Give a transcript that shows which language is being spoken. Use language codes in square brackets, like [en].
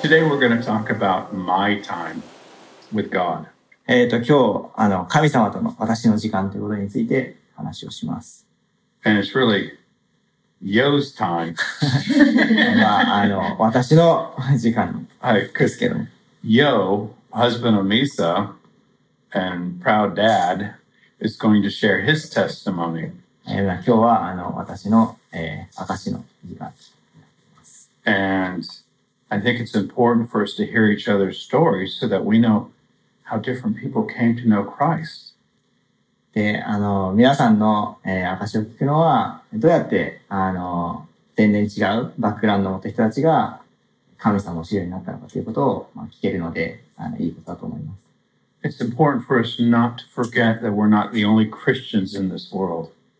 [en] Today we're going to talk about my time with God. [ja] 今日、神様との私の時間ということについて話をします。 [en] And it's really Yo's time. [ja] 私の時間ですけども。 [en] Yo, husband of Misa, and proud dad, is going to share his testimony. [ja] 今日は私の証しの時間です。 [en] And I think it's important for us to hear each other's stories so that we know how different people came to know Christ. [ja] で、皆さんの証しを聞くのは、どうやって全然違うバックグラウンドの人たちが神様の知るようになったのかということを、聞けるので、いいことだと思います。 [en] It's important for us not to forget that we're not the only Christians in this world.